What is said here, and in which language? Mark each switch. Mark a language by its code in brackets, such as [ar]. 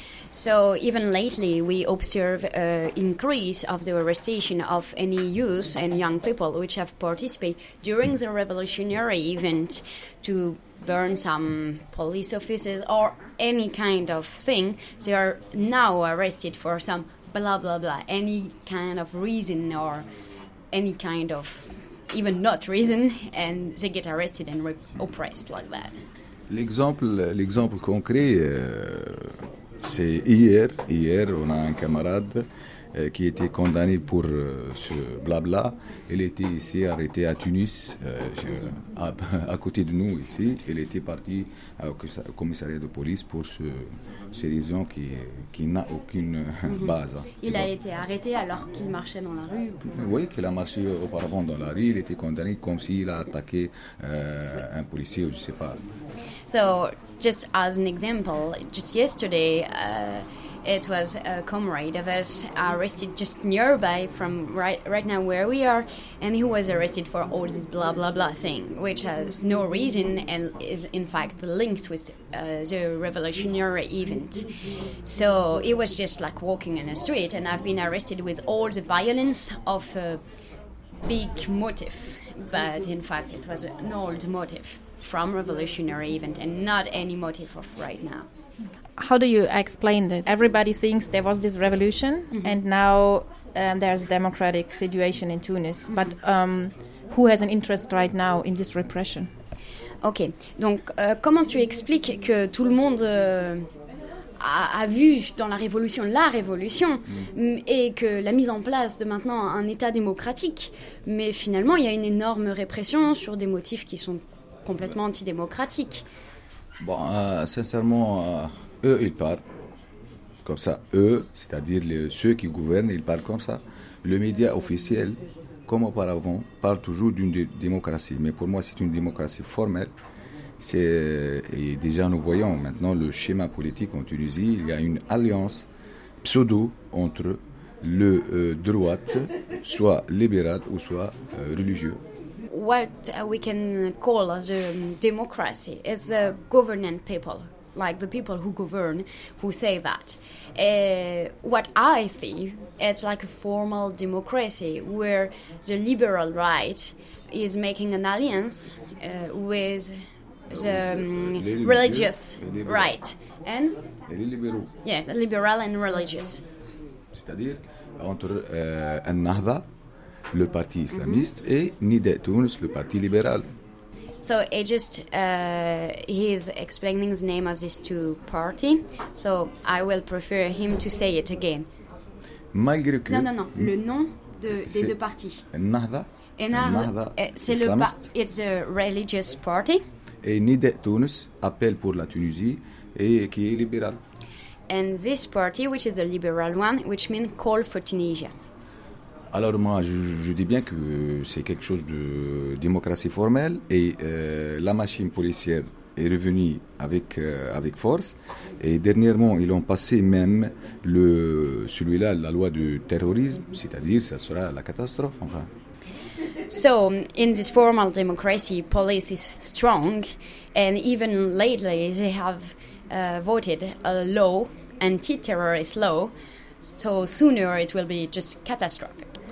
[en] So even lately, we observe an increase of the arrestation of any youth and young people which have participated during the revolutionary event to burn some police offices or any kind of thing. They are now arrested for some blah, blah, blah, any kind of reason or any kind of even not reason, and they get arrested and oppressed like that. [fr] L'exemple concret, c'est hier, on a un camarade qui était condamné pour ce blabla. Il était ici arrêté à Tunis, à côté de nous ici. Il était parti au commissariat de police pour ces raisons qui n'a aucune base. Il a été arrêté alors qu'il marchait dans la rue pour... Oui, qu'il a marché auparavant dans la rue. Il était condamné comme s'il a attaqué un policier ou je ne sais pas. [en] So, just as an example, just yesterday, it was a comrade of us arrested just nearby from right now where we are, and he was arrested for all this blah, blah, blah thing, which has no reason and is, in fact, linked with the revolutionary event. So, he was just, like, walking in the street, and I've been arrested with all the violence of a big motif, but, in fact, it was an old motif. From revolutionary event and not any motive of right now. How do you explain that? Everybody thinks there was this revolution and now there's a democratic situation in Tunis. Mm-hmm. But who has an interest right now in this repression? [fr] Okay, donc comment tu expliques que tout le monde a vu dans la révolution, et que la mise en place de maintenant un état démocratique, mais finalement il y a une énorme répression sur des motifs qui sont complètement antidémocratique. Bon, sincèrement, eux, ils parlent comme ça. Eux, c'est-à-dire ceux qui gouvernent, ils parlent comme ça. Le média officiel, comme auparavant, parle toujours d'une démocratie. Mais pour moi, c'est une démocratie formelle. Et déjà, nous voyons maintenant le schéma politique en Tunisie. Il y a une alliance pseudo entre le droite, soit libéral ou soit religieux. [en] What we can call as a democracy is a governing people, like the people who govern, who say that. What I think, it's like a formal democracy where the liberal right is making an alliance with the religious right. And? [fr] Les libéraux. [en] Yeah, the liberal and religious. [fr] C'est-à-dire entre un Nahda, le parti islamiste et Nidet Tunis, le parti libéral. [en] So he just he's explaining the name of these two party. So I will prefer him to say it again. [fr] Malgré que non, le nom des deux partis. Nahda. [en] Nahda. [fr] C'est islamiste. [en] It's a religious party. [fr] Et Nidet Tunis appelle pour la Tunisie et qui est libéral. [en] And this party, which is a liberal one, which means call for Tunisia. [fr] Alors moi, je dis bien que c'est quelque chose de démocratie formelle et la machine policière est revenue avec force. Et dernièrement, ils ont passé même la loi du terrorisme, c'est-à-dire ça sera la catastrophe, enfin. [en] So, in this formal democracy, police is strong and even lately they have voted a law, anti-terrorist law, so sooner it will be just catastrophic.